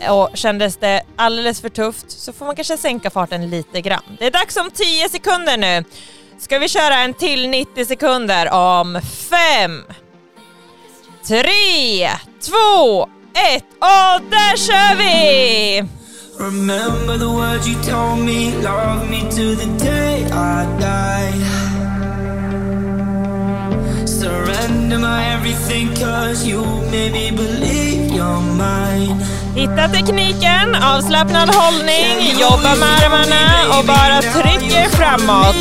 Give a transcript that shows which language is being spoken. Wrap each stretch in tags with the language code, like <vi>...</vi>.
<sv>Och kändes det alldeles för tufft? Så får man kanske sänka farten lite grann. Det är dags om 10 sekunder nu. Ska vi köra en till 90 sekunder om 5, 3, 2, 1, och där kör vi!</sv> <en>Remember the words you told me, love me to the day I die. Surrender my everything cause you made me believe you're mine.</en> <sv>Hitta tekniken, avslappnad hållning, jobba med armarna och bara trycker framåt.</sv>